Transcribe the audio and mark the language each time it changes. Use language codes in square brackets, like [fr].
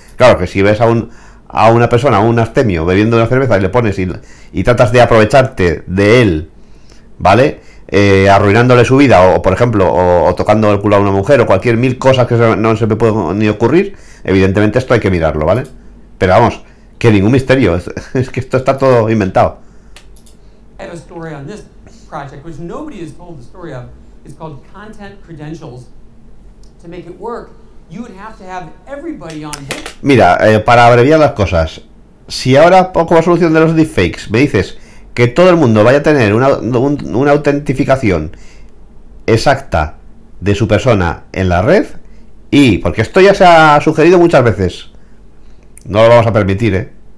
[es] Claro, que si ves a una persona, a un abstemio, bebiendo una cerveza y le pones y tratas de aprovecharte de él, ¿vale? Arruinándole su vida, o por ejemplo, o tocando el culo a una mujer, o cualquier mil cosas que no se me puede ni ocurrir, evidentemente esto hay que mirarlo, ¿vale? Pero vamos, que ningún misterio, es que esto está todo inventado. [en] I have a story on this project, which nobody has told the story of, is called Content Credentials. To make it work, you would have to have everybody on hit. [es] Mira, para abreviar las cosas, si ahora pongo la solución de los deepfakes, me dices que todo el mundo vaya a tener una autentificación exacta de su persona en la red, y porque esto ya se ha sugerido muchas veces, no lo vamos a permitir,